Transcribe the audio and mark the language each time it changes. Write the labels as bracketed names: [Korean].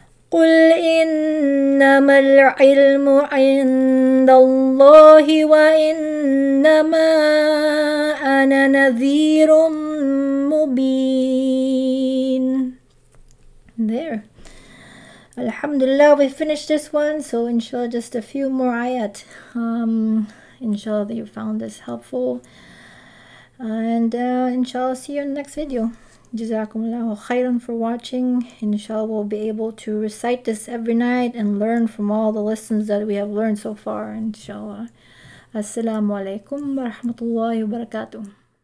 [Arabic] قُلْ إِنَّمَا الْعِلْمُ عِنْدَ اللَّهِ وَإِنَّمَا أَنَا نَذِيرٌ مُبِينٌ. [English] There. Alhamdulillah, we finished this one. So inshallah, just a few more ayat. Inshallah that you found this helpful. Inshallah, see you in the next video. [Arabic] جزاكم الله خيرا [English] for watching. Inshallah, we'll be able to recite this every night and learn from all the lessons that we have learned so far. Inshallah. Assalamu alaikum wa rahmatullahi wa barakatuh.